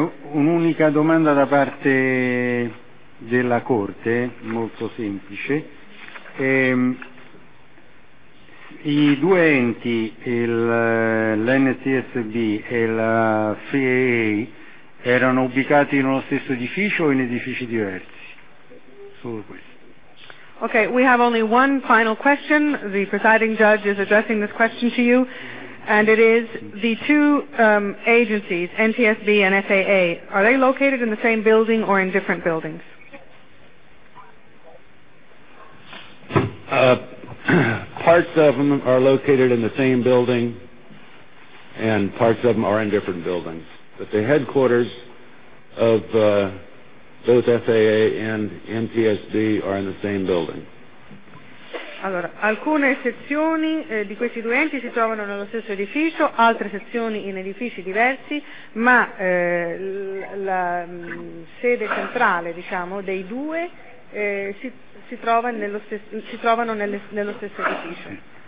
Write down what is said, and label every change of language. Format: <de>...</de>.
<it>Un'unica domanda da parte della Corte, molto semplice. I due enti, l'NTSB e la FIA, erano ubicati nello stesso edificio o in edifici diversi? Solo questo.</it> <en>Okay, we have only one final question. The presiding judge is addressing this question to you, and it is, the two agencies, NTSB and FAA, are they located in the same building or in different buildings? Parts of them are located in the same building, and parts of them are in different buildings. But the headquarters of both FAA and NTSB are in the same building.</en> <it>Allora, alcune sezioni di questi due enti si trovano nello stesso edificio, altre sezioni in edifici diversi, ma sede centrale, diciamo, dei due si trovano nello stesso edificio.</it>